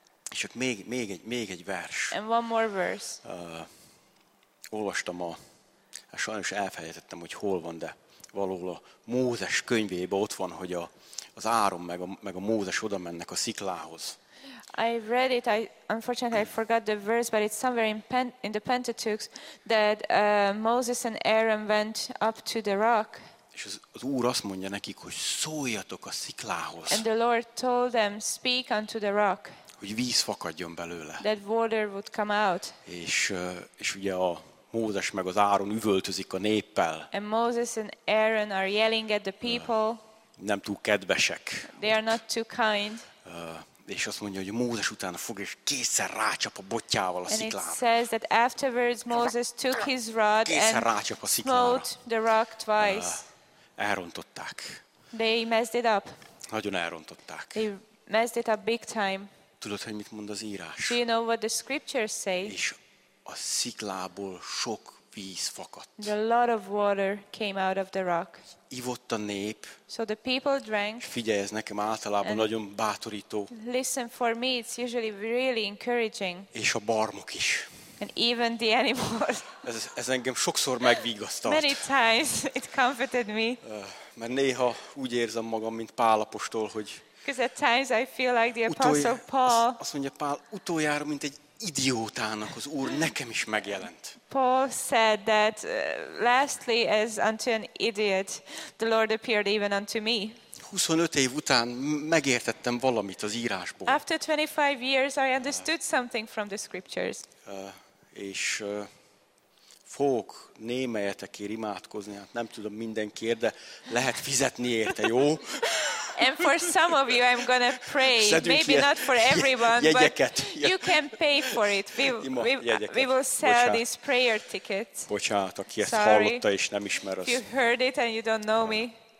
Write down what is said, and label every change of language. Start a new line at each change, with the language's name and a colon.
Hungarian: És ott még egy vers.
English: And one more verse.
Hungarian: Olvastam sajnos elfelejtettem, hogy hol van, de valahol a Mózes könyvében ott van, hogy az Áron meg a Mózes oda mennek a sziklához.
English: I read it. Unfortunately, I forgot the verse, but it's somewhere in the Pentateuch that Moses and Aaron went up to the rock.
Hungarian: És az Úr azt mondja nekik, hogy szóljatok a sziklához.
English: And the Lord told them, speak unto the rock.
Hungarian: Hogy víz fakadjon belőle.
English: That water would come out.
Hungarian: És ugye a Mózes meg az Áron üvöltözik a néppel.
English: And Moses and Aaron are yelling at the people.
Hungarian: Nem túl kedvesek.
English: They are not too kind.
Hungarian: És azt mondja, hogy Mózes utána fog és kétszer rácsap a botjával a sziklára.
English: And it says that afterwards Moses took his rod and smote the rock twice.
Hungarian: Elrontották.
English: They messed it up.
Hungarian: Nagyon elrontották.
English: They messed it up big time.
Hungarian: Tudod, hogy mit mond az írás?
English: Do you know what the scriptures say?
Hungarian: És a sziklából sok víz fakadt.
English: A lot of water came out of the rock.
Hungarian: Ivott a nép.
English: So the people drank.
Hungarian: Figyelj, ez nekem általában nagyon bátorító.
English: Listen for me, it's usually really encouraging.
Hungarian: És a barmok is.
English: And even the animals.
Hungarian: Ez engem sokszor megvigasztalt.
English: Many times it comforted me.
Hungarian: Mert néha úgy érzem magam, mint Pál apostol, hogy
English: because at times I feel like the Apostle Paul.
Hungarian: Azt mondja Pál, utoljára, mint egy idiótának az Úr nekem is megjelent.
English: Paul said that lastly as unto an idiot the Lord appeared even unto me.
Hungarian: 25 év után megértettem valamit az írásból.
English: After 25 years I understood something from the scriptures.
Hungarian: És fogok némelyetekért imádkozni, hát nem tudom mindenkiért, de lehet fizetni érte, jó?
English: And for some of you I'm going to pray.
Hungarian: Szedünk
English: maybe
Hungarian: ilyen,
English: not for everyone,
Hungarian: jegyeket,
English: but you can pay for it. We will sell these prayer tickets.
Hungarian: Bocsánat, aki ezt hallotta és nem ismer azt.
English: You heard it and you don't know me.